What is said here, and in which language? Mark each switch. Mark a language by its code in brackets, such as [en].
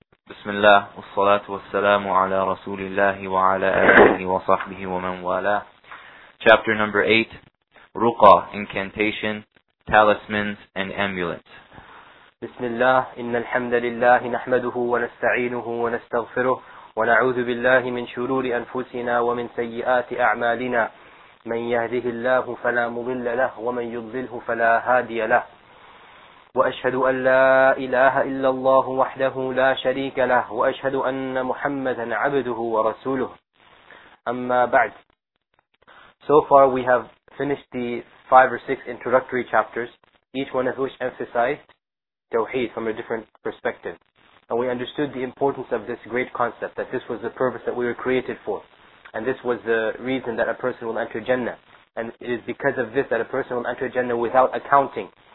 [ar] بسم الله والصلاة والسلام على رسول الله وعلى آله وصحبه ومن والاه. [en] Chapter number 8, Ruqa, Incantation, Talismans and Amulets. [ar] بسم الله إن الحمد لله نحمده ونستعينه ونستغفره ونعوذ بالله من شرور أنفسنا ومن سيئات أعمالنا من يهده الله فلا مضل له ومن يضلله فلا هادي له وأشهد أن لا إله إلا الله وحده لا شريك له وأشهد أن محمدا عبده ورسوله أما بعد. [en] So far we have finished the 5 or 6 introductory chapters, each one of which emphasized Tawheed from a different perspective. And we understood the importance of this great concept, that this was the purpose that we were created for. And this was the reason that a person will enter Jannah. And it is because of this that a person will enter Jannah without accounting.